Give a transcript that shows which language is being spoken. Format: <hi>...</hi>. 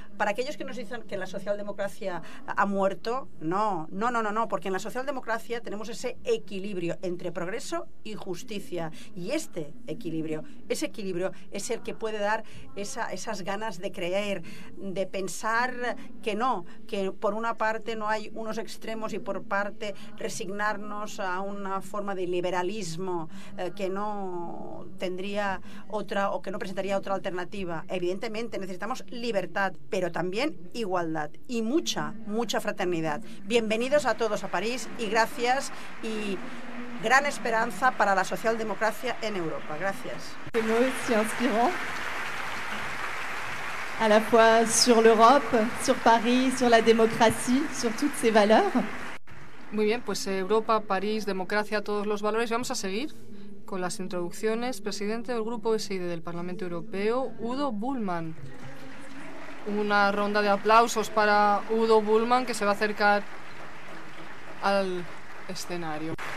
<es>Para aquellos que nos dicen que la socialdemocracia ha muerto, no, porque en la socialdemocracia tenemos ese equilibrio entre progreso y justicia, y ese equilibrio es el que puede dar esas ganas de creer, de pensar que no, que por una parte no hay unos extremos y por parte resignarnos a una forma de liberalismo que no tendría otra o que no presentaría otra alternativa. Evidentemente necesitamos libertad, pero también igualdad y mucha, mucha fraternidad. Bienvenidos a todos a París y gracias y gran esperanza para la socialdemocracia en Europa. Gracias.</es> <fr>Ces mots si inspirants, à la fois sur l'Europe, sur Paris, sur la démocratie, sur toutes ces valeurs.</fr> <es>Muy bien, pues Europa, París, democracia, todos los valores. Vamos a seguir con las introducciones. Presidente del Grupo SID del Parlamento Europeo, Udo Bullmann. Una ronda de aplausos para Udo Bullmann, que se va a acercar al escenario.</es>